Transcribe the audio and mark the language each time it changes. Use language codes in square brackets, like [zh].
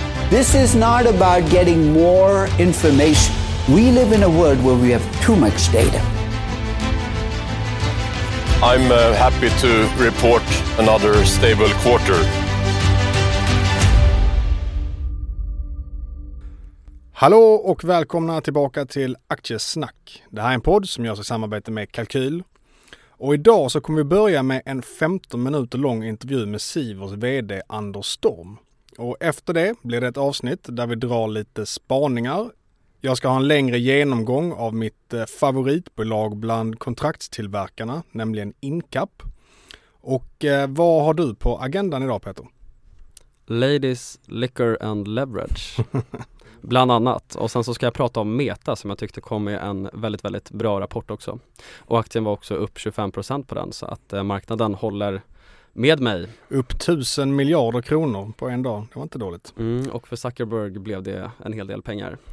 [en] This is not about getting more information. We live in a world where we have too much data. I'm happy to report another stable quarter. [sv] Hallå och välkomna tillbaka till Aktiesnack. Det här är en podd som görs i samarbete med Kalkyl. Och idag så kommer vi börja med en 15 minuter lång intervju med Sivers vd Anders Storm. Och efter det blir det ett avsnitt där vi drar lite spaningar. Jag ska ha en längre genomgång av mitt favoritbolag bland kontraktstillverkarna, nämligen Incap. Och vad har du på agendan idag, Peter? [en] Ladies, liquor and leverage. [sv] Bland annat. Och sen så ska jag prata om Meta som jag tyckte kom med en väldigt, väldigt bra rapport också. Och aktien var också upp 25% på den, så att marknaden håller med mig. Upp 1 000 miljarder kronor på en dag. Det var inte dåligt. Och för Zuckerberg blev det en hel del pengar.